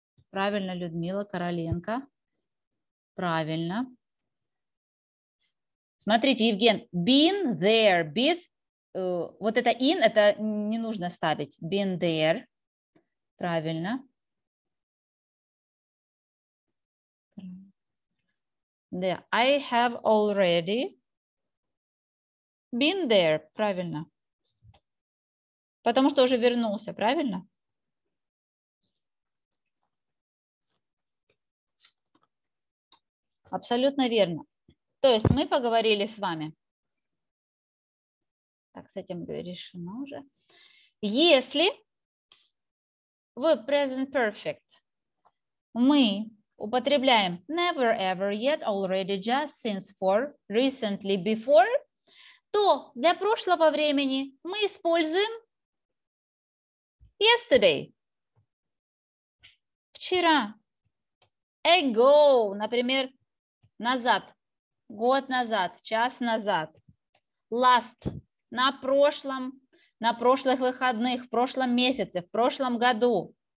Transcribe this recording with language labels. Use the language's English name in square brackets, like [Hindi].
[Russian] Правильно, Людмила Короленко. Правильно. Смотрите, Евген, [English] been there, [Russian] без, вот это in, это не нужно ставить, been there, правильно. Да, [English] I have already been there, [Russian] правильно. Потому что уже вернулся, правильно? Абсолютно верно. То есть мы поговорили с вами. Так, с этим решено уже. Если в present perfect мы употребляем never, ever, yet, already, just, since, for, recently, before, то для прошлого времени мы используем yesterday. Вчера. Ago, например, назад. Год назад, час назад, last, на прошлом, на прошлых выходных, в прошлом месяце, в прошлом году.